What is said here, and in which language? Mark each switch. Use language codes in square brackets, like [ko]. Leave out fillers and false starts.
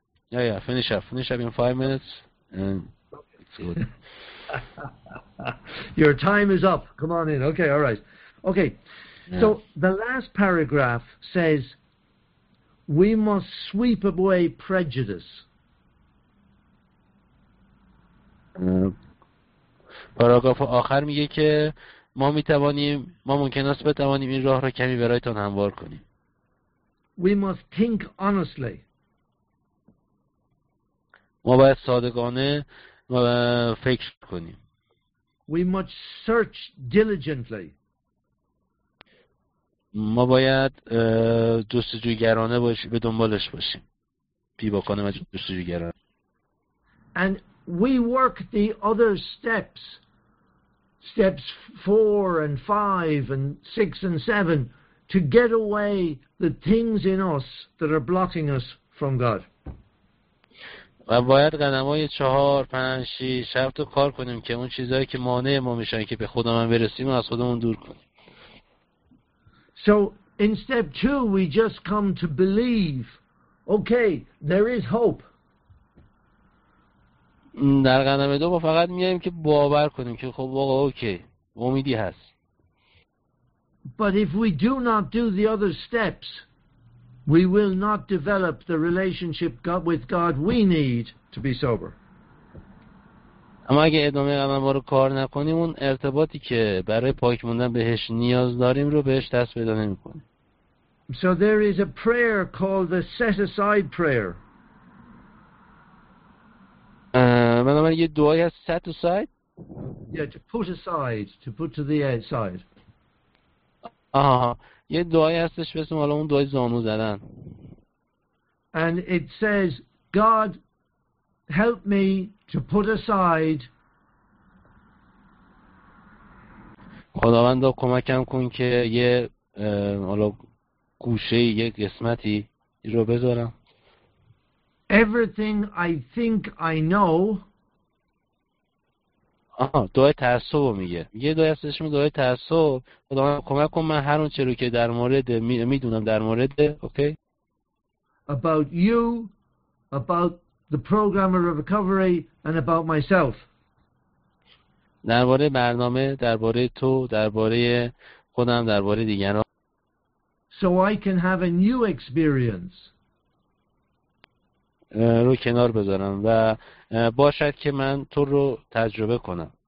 [en] Yeah, finish up in 5 minutes, and it's good. Your time is up. Come on in. Okay, all right. Okay, yeah. So the last paragraph says, we must sweep away prejudice. [fa] پاراگراف آخر میگه که ما ممکن است بتوانیم این راه را کمی برایتان هموار کنیم. [en] We must think honestly. [fa] ما باید صادقانه فکر کنیم. [en] We must search diligently. [fa] ما باید جستجوگرانه باشیم، به دنبالش باشیم. پیوکانه و جستجوگرانه. [en] And we work the other steps. Steps 4 and 5 and 6 and 7 to get away the things in us that are blocking us from God. [fa] و باید قدم های 4, 5, 6, 7 رو کار کنیم که اون چیزهایی که مانع ما میشن که به خودمان برسیم و از خودمون دور کنیم. [en] So in step 2 we just come to believe. Okay, there is hope. [fa] در قدم 2 ما فقط میایم که باور کنیم که خب واقعا اوکی امیدی هست. [en] But if we do not do the other steps we will not develop the relationship God with God we need to be sober. [fa] اما اگه ادامه قدم‌ها رو کار نکنیم اون ارتباطی که برای پاک موندن بهش نیاز داریم رو بهش دست پیدا نمی‌کنیم. [en] So there is a prayer called the set aside prayer. [fa] من یه دعایی هست [en] set aside. Yeah, to put aside, to put to the outside. [fa] آها یه دعایی هستش به اسم حالا اون دعای زانو زدن. [en] And it says God help me to put aside. [fa] خداوند کمکم کن که یه حالا گوشه یک قسمتی رو بذارم. [en] Everything I think I know. [fa] آها، دعای تعصب رو میگه. یه دعای هستش میگه دعای تعصب. خدا من کمک کن من هر اون چه رو که در مورد میدونم در مورد اوکی؟ [en] About you, about the programmer of recovery, and about myself. [fa] درباره برنامه، درباره تو، درباره خودم، درباره دیگران. [en] So I can have a new experience. [fa] رو کنار بذارم و باشد که من تو رو تجربه کنم.